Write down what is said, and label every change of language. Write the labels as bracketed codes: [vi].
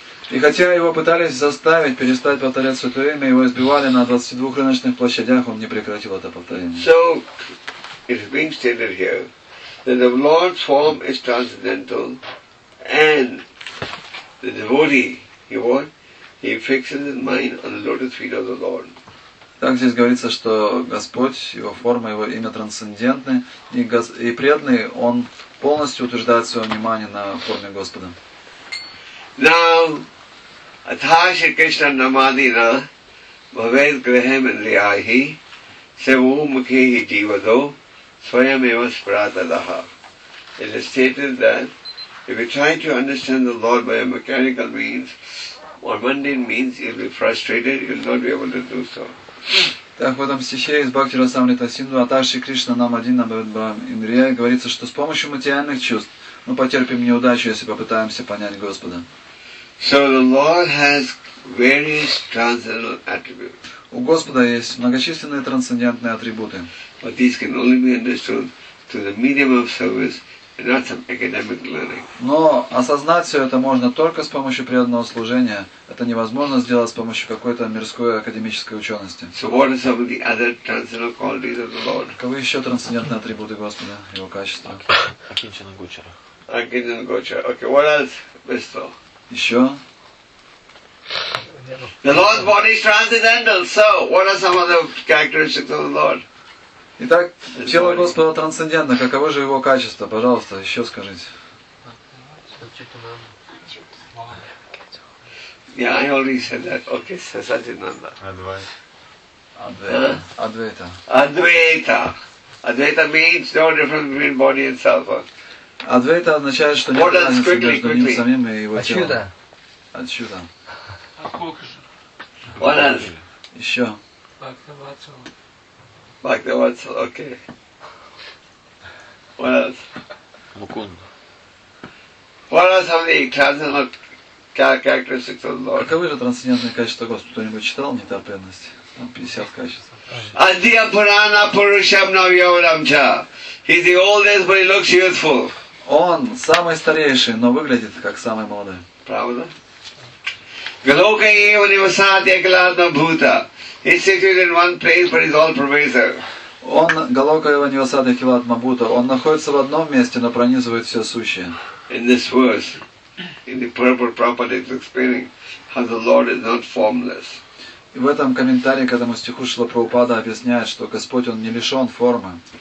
[ru] И хотя его пытались заставить перестать повторять святое имя, его избивали на 22 рыночных площадях, он не прекратил это повторение. [en] So, it is being stated here that the Lord's form is transcendental, and the devotee, he what? He fixes his mind on the lotus feet of the Lord. [ru] Так здесь говорится, что Господь, его форма, его имя трансцендентны, и преданный, он полностью утверждает свое внимание на форме Господа. [sa] Now, Athashi Krishna Namadina Bhavet Graham and Liahi Sevu Mukhehi Jivado Swayameva Spratadaha. [en] It is stated that if you try to understand the Lord by a mechanical means or mundane means, you'll be frustrated, you'll not be able to do so. [ru] Так в этом стихе из Бхакти Расамрита Синдху Атарши Кришна Намадина Бхавидбхам Индрия говорится, что с помощью материальных чувств мы потерпим неудачу, если попытаемся понять Господа. [en] So the Lord has various transcendental attributes. [ru] У Господа есть многочисленные трансцендентные атрибуты. [en] But these can only be understood through the medium of service and not some academic learning. [ru] Но осознать все это можно только с помощью преданного служения. Это невозможно сделать с помощью какой-то мирской академической учености. [en] So what are some of the other transcendental qualities of the Lord? [ru] Каковы еще трансцендентные атрибуты Господа, его качества? [sa] Акинчана Гочара. [en] Акинчана Гочара. Okay, what else? Бесто. [ru] Еще. [en] The Lord's body is transcendental. So, what are some of the characteristics of the Lord? [ru] Итак, тело Господа трансцендентно. Каковы же его качества? Пожалуйста, еще скажите. [en] Yeah, I already said that. Okay, Сасадинанда. [sa] Адвайта. [en] Адвайта. Адвайта means no difference between body and self. [ru] Адвайта означает, что нет разницы между ним самим и его телом. Отсюда. Отсюда. Еще. [en] Бхактавацал, окей. What else? [sa] Мукунда. [en] What else are the transcendental characteristics of the Lord? [ru] Каковы же трансцендентные качества Господа? Кто-нибудь читал нетерпенность? Там 50 качеств. [sa] Адья Пурана Пурушам Навьявадам Ча. [en] He's the oldest, but he looks youthful. [ru] Он самый старейший, но выглядит как самый молодой. Правда? [sa] Глока ева нивасати акиладна бхута. [en] He's situated in one place, but he's all pervasive. [ru] Он, Глока ева нивасати акиладна бхута, он находится в одном месте, но пронизывает все сущее. [en] In this verse, in the purport, Prabhupada is explaining how the Lord is not formless. [ru] И в этом комментарии к этому стиху Шрила Прабхупада объясняет, что Господь, он не лишен формы.